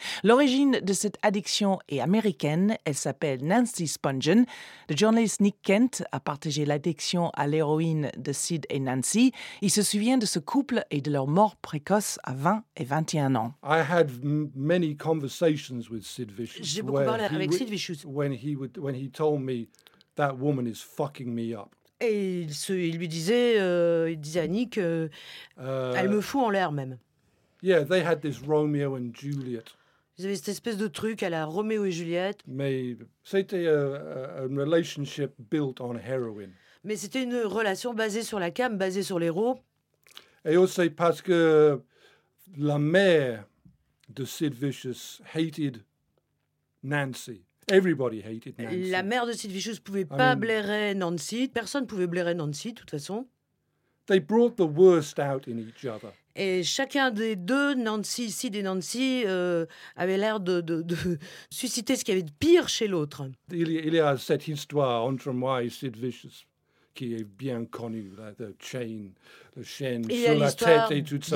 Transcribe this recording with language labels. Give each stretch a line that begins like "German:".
French: L'origine de cette addiction est américaine, elle s'appelle Nancy Spungen. Le journaliste Nick Kent a partagé l'addiction à l'héroïne de Sid et Nancy. Il se souvient de ce couple et de leur mort précoce à 20 et 21 ans.
English: I had many conversations with Sid Vicious.
French: J'ai beaucoup parlé avec Sid Vicious.
English: When he told me that woman is fucking me up.
French: Et il disait à Nick elle me fout en l'air même.
English: Yeah, they had this Romeo and Juliet.
French: Ils avaient cette espèce de truc à la Roméo et Juliette. Mais c'était une
English: relationship built on heroin.
French: Mais c'était une relation basée sur la cam, basée sur l'héro. Et aussi parce que la mère de Sid Vicious hated Nancy.
English: Everybody hated Nancy.
French: La mère de Sid Vicious pouvait pas blairer Nancy. Personne pouvait blairer Nancy, de toute façon.
English: They brought the worst out in each other.
French: Et chacun des deux, Nancy, Sid et Nancy, avait l'air de susciter ce qu'il y avait de pire chez l'autre. Il y a cette histoire entre moi et Sid Vicious qui est bien connue, la chaîne sur la tête et tout ça.